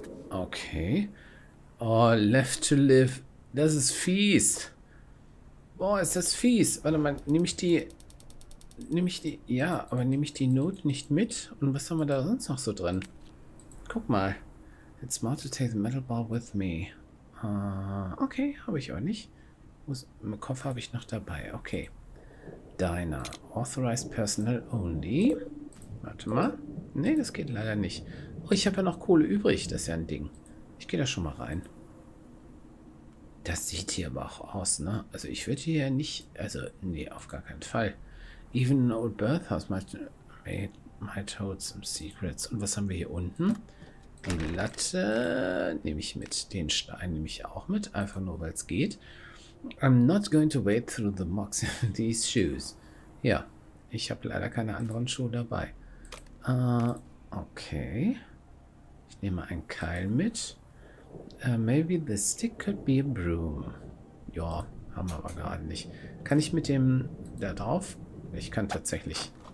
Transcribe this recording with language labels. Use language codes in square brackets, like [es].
[en] Okay. Oh, left to live. [de] Das ist fies. Boah, ist das fies. Warte mal, nehme ich die... Nehme ich die Note nicht mit? Und was haben wir da sonst noch so drin? Guck mal. [en] It's smart to take the metal ball with me. [de] Okay, habe ich auch nicht. Im Koffer habe ich noch dabei. Okay. Diner. [en] Authorized personnel only. [de] Warte mal. Nee, das geht leider nicht. Oh, ich habe ja noch Kohle übrig. Das ist ja ein Ding. Ich gehe da schon mal rein. Das sieht hier aber auch aus, ne? Also ich würde hier nicht... Also, nee, auf gar keinen Fall. [en] Even an old birthhouse might hold some secrets. [de] Und was haben wir hier unten? Die Latte nehme ich mit. Den Stein nehme ich auch mit. Einfach nur, weil es geht. [en] I'm not going to wade through the mucks in these shoes. [de] Ja, ich habe leider keine anderen Schuhe dabei. Okay. Ich nehme einen Keil mit. [en] Maybe the stick could be a broom. [de] Ja, haben wir aber gerade nicht. Kann ich mit dem da drauf? Ich kann tatsächlich.